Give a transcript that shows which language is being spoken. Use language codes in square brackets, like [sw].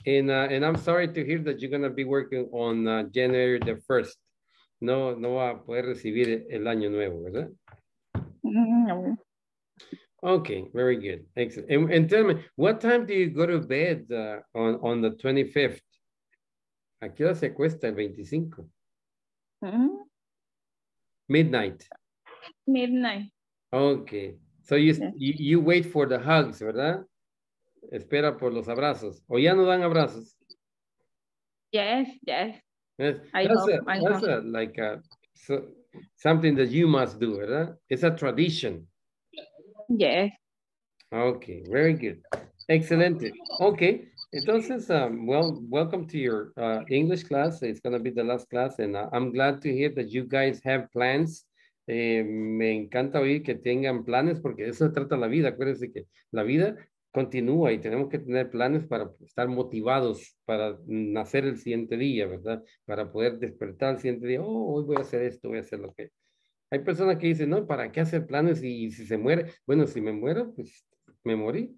[en] And I'm sorry to hear that you're going to be working on January the 1st. [es] No, no va a poder recibir el año nuevo, ¿verdad? No. [en] Okay. Very good. Excellent. And tell me, what time do you go to bed on the 25th? [es] ¿A qué hora se acuesta el 25? Mm-hmm. [en] Midnight. Midnight. Okay, so you wait for the hugs, ¿verdad? [es] Espera por los abrazos. ¿O ya no dan abrazos? [en] Yes, yes. Yes. That's something that you must do, ¿verdad? It's a tradition. Yes. Okay, very good. Excelente. Okay, entonces, welcome to your English class. It's going to be the last class, and I'm glad to hear that you guys have plans. [es] Me encanta oír que tengan planes porque eso se trata la vida. Acuérdense que la vida continúa y tenemos que tener planes para estar motivados para nacer el siguiente día, ¿verdad? Para poder despertar el siguiente día. Oh, hoy voy a hacer esto, voy a hacer lo que. Hay personas que dicen, no, ¿para qué hacer planes? Y si se muere, bueno, si me muero, pues me morí.